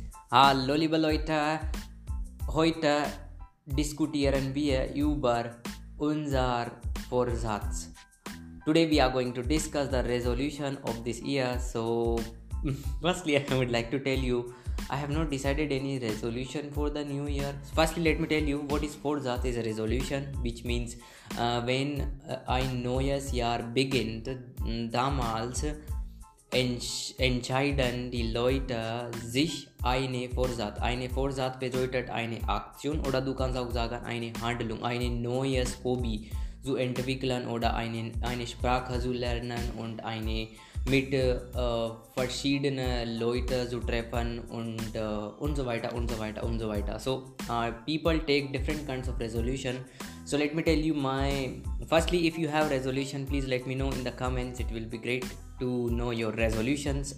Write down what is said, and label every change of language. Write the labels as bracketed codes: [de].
[de] Hallo liebe Leute, heute diskutieren wir über unser Vorsatz. [en] Today we are going to discuss the resolution of this year. So, firstly I would like to tell you, I have not decided any resolution for the new year. Firstly, let me tell you what is Vorsatz. Is a resolution, which means when I [de] Neues Jahr beginnt, damals entscheiden die Leute sich eine Vorsatz. Eine Vorsatz bedeutet eine Aktion oder du kannst auch sagen eine Handlung, ein neues Hobby zu entwickeln oder eine Sprache zu lernen und eine mit verschiedenen Leuten zu treffen und so weiter. [en] So, people take different kinds of resolution. So let me tell you firstly, if you have resolution, please let me know in the comments. It will be great to know your resolutions.